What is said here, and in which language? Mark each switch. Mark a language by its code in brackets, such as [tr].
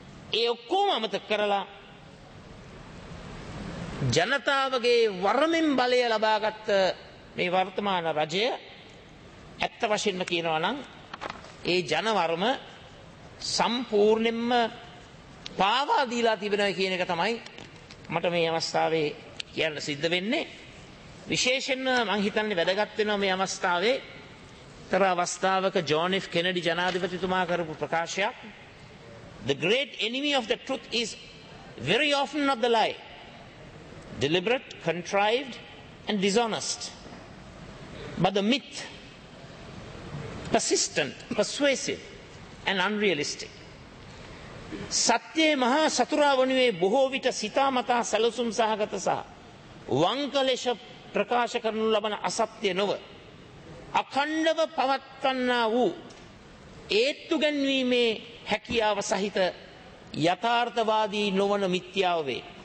[si] ඒ ඔක්කොම අමතක කරලා ජනතාවගේ වරමින් බලය ලබාගත් මේ වර්තමාන රජය ඇත්ත වශයෙන්ම කියනවා නම් ඒ ජන වර්ම සම්පූර්ණයෙන්ම පාවා දීලා තිබෙනවා කියන එක තමයි මට මේ අවස්ථාවේ කියන්න සිද්ධ වෙන්නේ. විශේෂයෙන්ම මං හිතන්නේ වැදගත් වෙනවා මේ අවස්ථාවේ තර අවස්ථාවක ජෝන් එෆ් කෙනඩි ජනාධිපතිතුමා කරපු ප්‍රකාශයක්. [en] The great enemy of the truth is very often not the lie. Deliberate, contrived, and dishonest. But the myth, persistent, persuasive, and unrealistic. [si] සත්‍යයේ මහා සතුරා වනුයේ බොහෝ විට සිතාමතා සැලසුම් සහගත සහ වංකලෙෂ ප්‍රකාශ කරනු ලබන අසත්‍ය නොව අඛණ්ඩව පවත්වන්නා වූ ඒත්තු ගැන්වීමේ හැකියාව සහිත යථාර්ථවාදී නොවන මිත්‍යාව වේ.